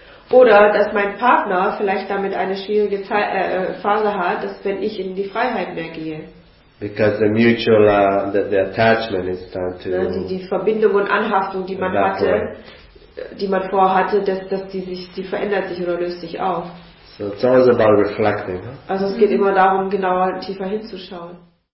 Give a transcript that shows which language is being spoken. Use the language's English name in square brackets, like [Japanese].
[German] Oder dass mein Partner vielleicht damit eine schwierige Phase hat, dass wenn ich in die Freiheit mehr gehe. [English] Because the mutual the attachment is starting to. [German] Die Verbindung und Anhaftung, die man hatte, die man vorhatte, dass die verändert sich oder löst sich auf. [English] So it's always about reflecting. [German] Also es geht immer darum, genauer tiefer hinzuschauen.